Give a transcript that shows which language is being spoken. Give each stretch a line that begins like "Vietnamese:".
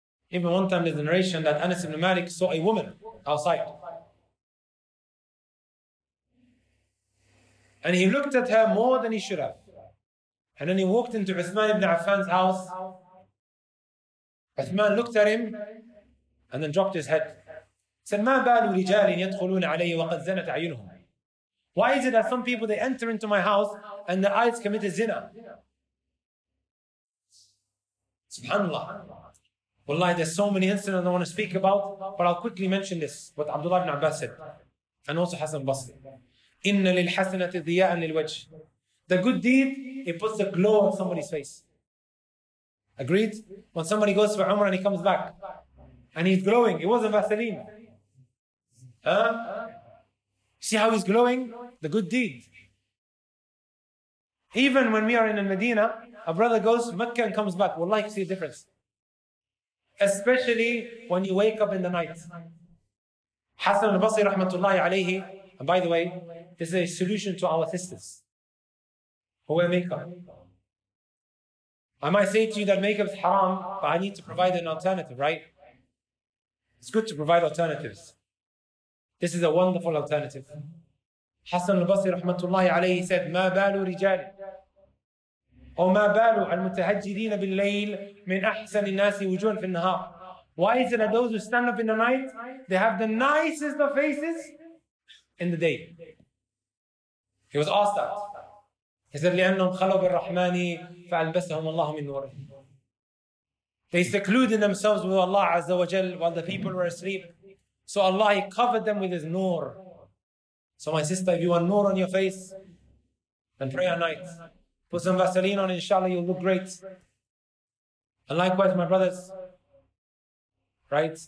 English: Even one time there's a narration that Anas ibn Malik saw a woman outside. And he looked at her more than he should have. And then he walked into Uthman ibn Affan's house. Uthman looked at him and then dropped his head. He said,
Arabic: مَا بَالُوا رِجَالٍ يَدْخُلُونَ عَلَيْهِ وَقَدْ زَنَتْ عَيُنُهُمْ.
English: Why is it that some people, they enter into my house and their eyes committed zina? SubhanAllah. Wallahi, there's so many incidents I want to speak about, but I'll quickly mention this, what Abdullah ibn Abbas said, and also Hassan Basri.
Arabic: إِنَّ لِلْحَسَنَةِ ضِيَاءً لِلْوَجْهِ.
English: The good deed, it puts a glow on somebody's face. Agreed? When somebody goes for Umrah and he comes back, and he's glowing, it wasn't Vaseline. Huh? See how he's glowing? The good deed. Even when we are in Medina, a brother goes to Mecca and comes back, wallahi, you see a difference. Especially when you wake up in the night. Hassan al-Basri rahmatullahi alayhi, and by the way, this is a solution to our sisters who wear makeup. I might say to you that makeup is haram, but I need to provide an alternative, right? It's good to provide alternatives. This is a wonderful alternative.
Arabic: Hassan al-Basri rahmatullahi alayhi
English: said,
Arabic: مَا بَالُوا رِجَالٍ أو ما بالو المتهجدين بالليل من أحسن الناس وجوها في النهار.
English: Why is it that those who stand up in the night, they have the nicest of faces in the day? He was asked that. He said,
Arabic: لأنهم خلوا بالرحمن فألبسهم الله من نوره.
English: They secluded themselves with Allah Azza wa Jal while the people were asleep. So Allah, He covered them with His nur. So my sister, if you want nur on your face, then pray at night. Put some Vaseline on, inshallah, you'll look great. And likewise, my brothers, right?